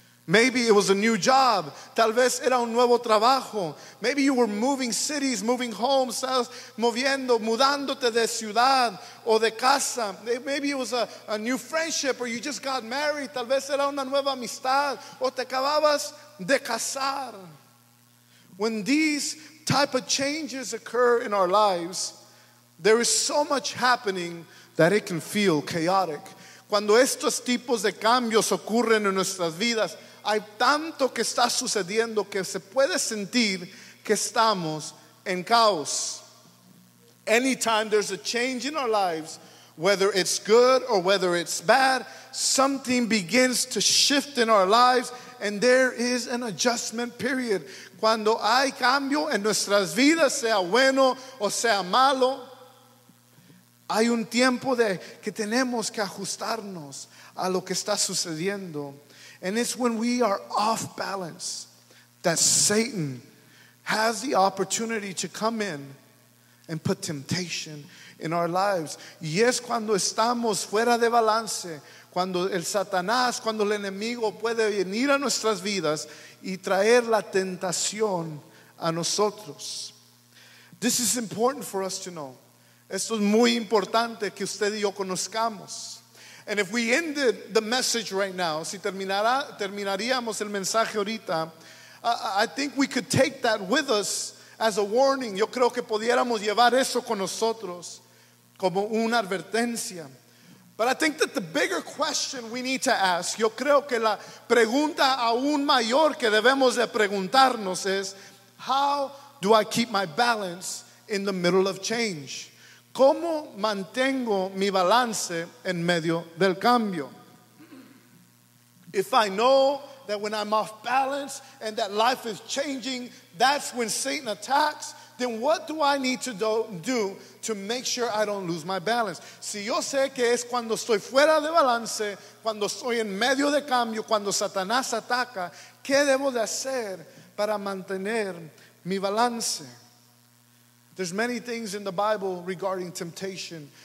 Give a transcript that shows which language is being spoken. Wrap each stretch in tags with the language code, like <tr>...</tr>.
<en>Maybe it was a new job.</en> <es>Tal vez era un nuevo trabajo.</es> <en>Maybe you were moving cities, moving homes.</en> <es>Estabas moviendo, mudándote de ciudad o de casa.</es> <en>Maybe it was a new friendship or you just got married.</en> <es>Tal vez era una nueva amistad o te acababas de casar.</es> <en>When these type of changes occur in our lives, there is so much happening that it can feel chaotic.</en> <es>Cuando estos tipos de cambios ocurren en nuestras vidas, hay tanto que está sucediendo que se puede sentir que estamos en caos.</es> <en>Anytime there's a change in our lives, whether it's good or whether it's bad, something begins to shift in our lives and there is an adjustment period.</en> <es>Cuando hay cambio en nuestras vidas, sea bueno o sea malo, hay un tiempo de que tenemos que ajustarnos a lo que está sucediendo.</es> <en>And it's when we are off balance that Satan has the opportunity to come in and put temptation in our lives.</en> <es>Y es cuando estamos fuera de balance, cuando el Satanás, cuando el enemigo puede venir a nuestras vidas y traer la tentación a nosotros.</es> <en>This is important for us to know.</en> <es>Esto es muy importante que usted y yo conozcamos.</es> <en>And if we ended the message right now,</en> <es>si terminaríamos el mensaje ahorita,</es> <en>I think we could take that with us as a warning.</en> <es>Yo creo que pudiéramos llevar eso con nosotros como una advertencia.</es> <en>But I think that the bigger question we need to ask,</en> <es>yo creo que la pregunta aún mayor que debemos de preguntarnos es,</es> <en>how do I keep my balance in the middle of change?</en> <es>¿Cómo mantengo mi balance en medio del cambio?</es> <en>If I know that when I'm off balance and that life is changing, that's when Satan attacks, then what do I need to do to make sure I don't lose my balance?</en> <es>Si yo sé que es cuando estoy fuera de balance, cuando estoy en medio de cambio, cuando Satanás ataca, ¿qué debo de hacer para mantener mi balance?</es> <en>There's many things in the Bible regarding temptation.</en>